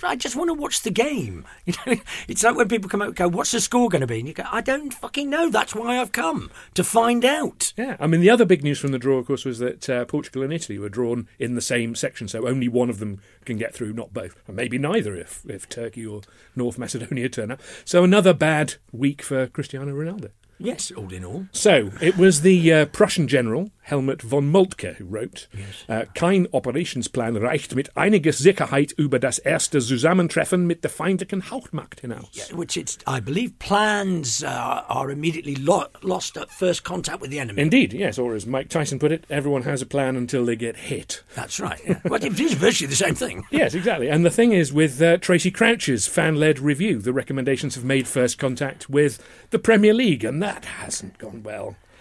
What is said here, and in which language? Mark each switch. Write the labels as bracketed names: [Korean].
[English] I just want to watch the game. You know, it's like when people come out and go, what's the score going to be? And you go, I don't fucking know. That's why I've come, to find out. Yeah. I mean, the other big news from the draw, of course, was that Portugal and Italy were drawn in the same section, so only one of them can get through, not both. And maybe neither if Turkey or North Macedonia turn up. So another bad week for Cristiano Ronaldo. Yes, all in all. So it was the Prussian general, Helmut von Moltke, who wrote, [German] Kein Operationsplan reicht mit einiger Sicherheit über das erste Zusammentreffen mit der feindlichen Hauptmacht hinaus. [English] Yeah, which it's, I believe, plans are immediately lost at first contact with the enemy. Indeed, yes. Or as Mike Tyson put it, everyone has a plan until they get hit. That's right. Yeah. Well, it is virtually the same thing. Yes, exactly. And the thing is, with Tracy Crouch's fan-led review, the recommendations have made first contact with the Premier League, and that hasn't gone well.